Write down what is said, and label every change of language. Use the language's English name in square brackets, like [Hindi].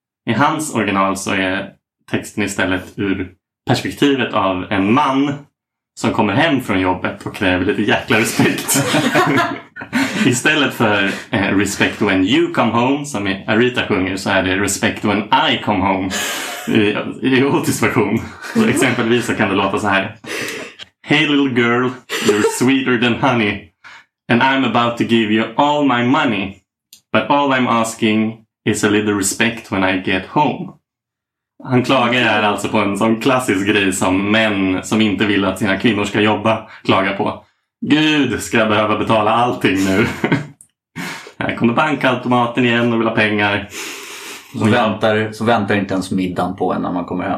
[Swedish] I hans original så är texten istället ur perspektivet av en man som kommer hem från jobbet och kräver lite jäkla respekt. Istället för [English] respect when you come home, [Swedish] som Aretha sjunger, så är det [English] respect when I come home [Swedish] i Otis version. Så exempelvis så kan det låta så här: [English] Hey little girl, you're sweeter than honey, and I'm about to give you all my money, but all I'm asking is a little respect when I get home. [Swedish] Han klagar här alltså på en sån klassisk grej som män som inte vill att sina kvinnor ska jobba klagar på. Gud, ska jag behöva betala allting nu? Här kommer bankautomaten igen och vill ha pengar. Så väntar inte ens middagen på en när man kommer hem.